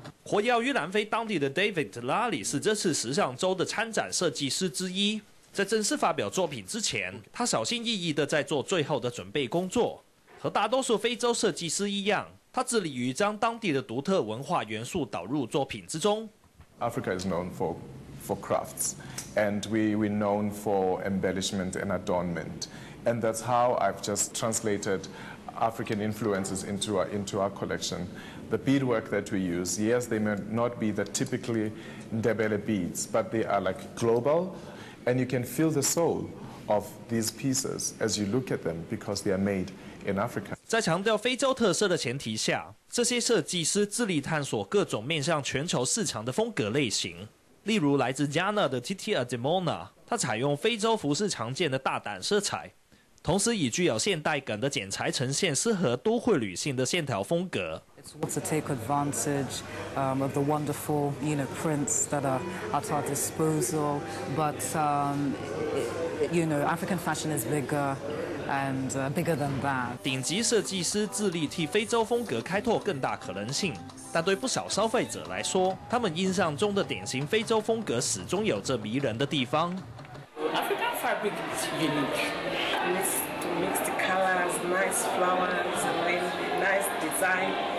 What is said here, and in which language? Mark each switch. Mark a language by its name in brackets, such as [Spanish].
[Chinese] 活跃于南非当地的 David Lally 是这次时尚周的参展设计师之一。在正式发表作品之前，他小心翼翼地在做最后的准备工作。和大多数非洲设计师一样，他致力于将当地的独特文化元素导入作品之中。 [English] Africa is known for crafts, and we known for embellishment and adornment, and that's how I've just translated African influences into our collection. The beadwork that we use, yes, they may not be the typically Ndebele beads, but they are like global, and you can feel the soul of these pieces as you look at them because they are made in Africa. [Chinese] 在强调非洲特色的前提下，这些设计师致力探索各种面向全球市场的风格类型。例如来自加纳的 Titi Ademona， 他采用非洲服饰常见的大胆色彩，同时以具有现代感的剪裁呈现适合都会女性的线条风格。 [English] It's all to take advantage, of the wonderful, you know, prints that are at our disposal. But, you know, African fashion is bigger and bigger than that. [Chinese] 顶级设计师致力替非洲风格开拓更大可能性，但对不少消费者来说，他们印象中的典型非洲风格始终有着迷人的地方。 [English] African fabric is unique. Mixed colors, nice flowers, and then nice design.